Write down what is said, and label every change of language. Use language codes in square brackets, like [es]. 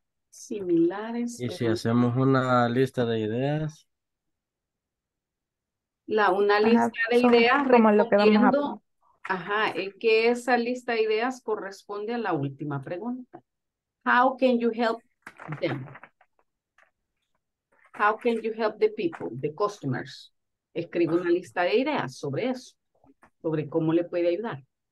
[es] Similares. Y si hacemos una lista de ideas. Una lista de ideas como lo que vamos a poner. Ajá, es que esa lista de ideas corresponde a la última pregunta. [en] How can you help them? How can you help the people, the customers? [es] Escribe una lista de ideas sobre eso, sobre cómo le puede ayudar.